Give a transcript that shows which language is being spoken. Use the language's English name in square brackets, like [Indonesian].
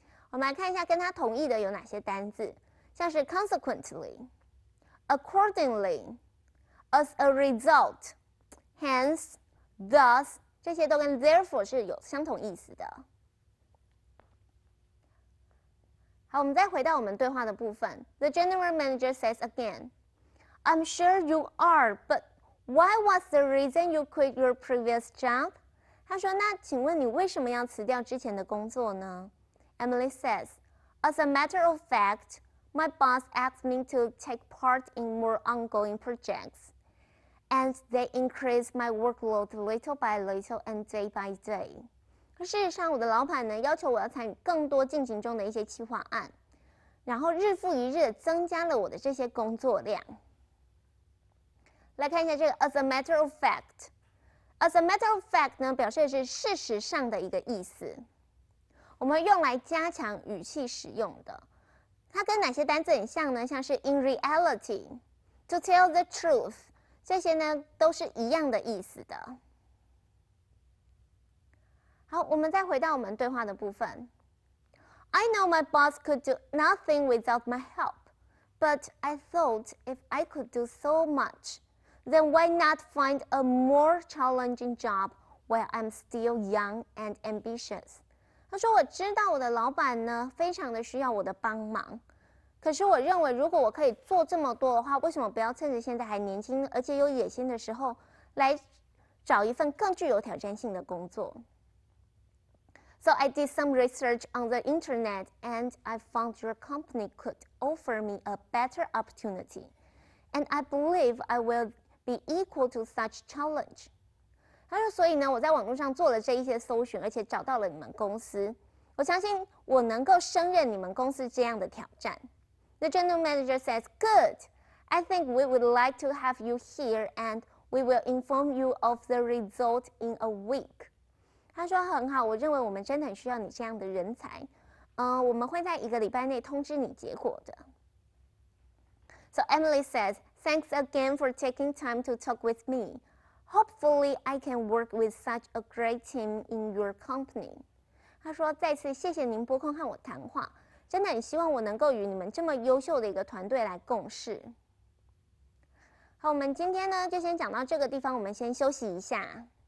[Chinese] 我们来看一下跟它同义的有哪些单字，像是 [English] consequently, accordingly, as a result, hence, thus, [Chinese] 这些都跟 therefore 是有相同意思的。好，我们再回到我们对话的部分。 [English] The general manager says again, I'm sure you are, but... Why was the reason you quit your previous job? [Chinese] 他说，那请问你为什么要辞掉之前的工作呢？ [English] Emily says, As a matter of fact, my boss asked me to take part in more ongoing projects, and they increased my workload little by little and day by day. [Chinese] 事实上，我的老板呢，要求我要参与更多进行中的一些企划案，然后日复一日地增加了我的这些工作量。来看一下这个 [English] as a matter of fact. [Chinese] As a matter of fact 呢，表示的是事实上的一个意思，我们用来加强语气使用的。它跟哪些单字很像呢？像是 [English] in reality, to tell the truth, [Chinese] 这些呢都是一样的意思的。好，我们再回到我们对话的部分。 [English] I know my boss could do nothing without my help, but I thought if I could do so muchThen why not find a more challenging job while I'm still young and ambitious? [Chinese] 他说，我知道我的老板呢，非常的需要我的帮忙。可是我认为，如果我可以做这么多的话，为什么不要趁着现在还年轻，而且有野心的时候，来找一份更具有挑战性的工作？ [English] So I did some research on the internet and I found your company could offer me a better opportunity. And I believe I will...be equal to such challenge. [Chinese] 他说，所以呢，我在网络上做了这一些搜寻，而且找到了你们公司。我相信我能够胜任你们公司这样的挑战。 [English] The general manager says, good. I think we would like to have you here and we will inform you of the result in a week. [Chinese] 他说很好，我认为我们真的很需要你这样的人才。我们会在一个礼拜内通知你结果的。 [English] So Emily says, thanks again for taking time to talk with me. Hopefully I can work with such a great team in your company. [Chinese] 他说再次谢谢您拨空和我谈话。真的很希望我能够与你们这么优秀的一个团队来共事。好，我们今天呢就先讲到这个地方，我们先休息一下。